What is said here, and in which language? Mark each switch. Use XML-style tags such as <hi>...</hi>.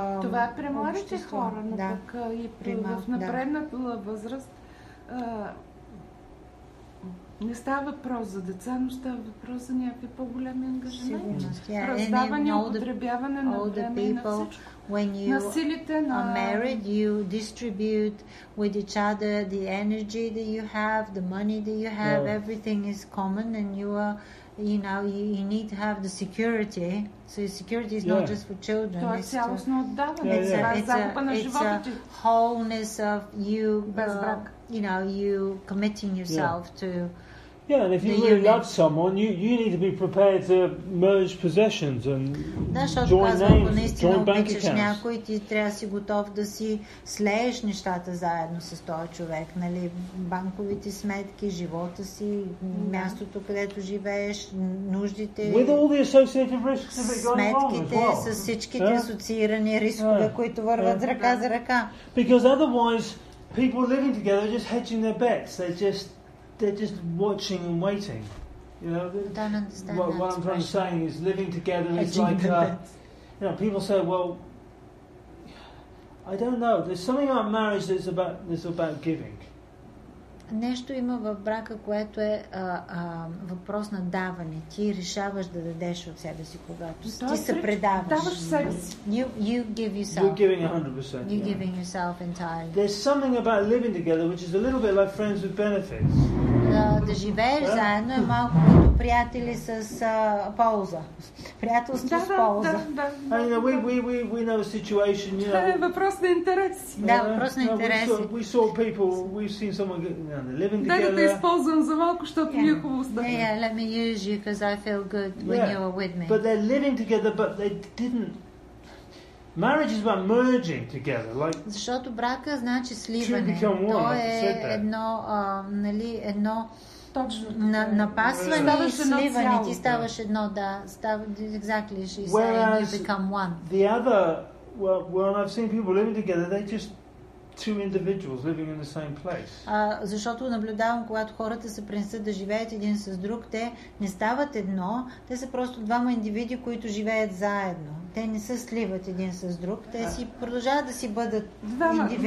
<bg>Това е при младите хора, но пък и в напредната възраст Не става въпрос за деца, но става въпрос за някакви по-големи ангажименти.</bg> <en>Yeah.</en> <bg>Раздаване, употребяване на време и на всичко. На силите на...</bg> <en>When you are married, you distribute with each other the energy that you have, the money that you have, yeah. Everything is common and you are... You know, you need to have the security. So security is not just for children.</en> <bg>То е цялостно отдаване.</bg> <en>It's a wholeness of you. You know, you committing yourself to. Yeah, and if you really love someone, you need to be prepared to merge possessions and join names, join bank accounts.</en> <bg>Някой, ти трябва си готов да си слееш нещата заедно с този човек, нали? Банковите сметки, живота си, мястото, където живееш, нуждите.</bg> <en>With all the associated risks of it going on.</en> <bg>Сметките с всичките асоциирани рискове, които върват ръка за ръка.</bg> <en>Because otherwise, people living together are just hedging their bets. They're just watching and waiting. You know, what I'm trying to say is living together is like, you know, people say, well, I don't know. There's something about marriage that's about giving.</en> <bg>Нещо има в брака, което е въпрос на даване. Ти решаваш да дадеш от себе си, когато ти се предаваш.</bg> <en>You give yourself. You're giving 100%. You're giving yourself entirely. There's something about living together which is a little bit like friends with benefits.</en> <bg>Да живееш заедно е малко като приятели с полза. Приятелство с полза.</bg> <en>I mean, we know a situation, you know.</en> <bg>Това е въпрос на интерес. Да, въпрос на интерес.</bg> <en>We've seen someone get, you know, living together.</en> <bg>Дай да те използвам за малко, защото ми е хубаво с тебе.</bg> <en>Yeah, let me use you because I feel good when you are with me. But they're living together, but they didn't. Marriage is about merging together, like.</en> <bg>Защото брака значи сливане. То е едно, нали, едно точно напасване и сливане. Ти ставаш едно, да, exactly.</bg> <en>Whereas you become one. The other, well, I've seen people living together. They just two individuals living in the same place.</en> <bg>Защото наблюдавам, когато хората се пренесат да живеят един с друг, те не стават едно, те са просто двама индивиди, които живеят заедно. Те не се сливат един с друг, те си продължават да си бъдат индивиди.</bg>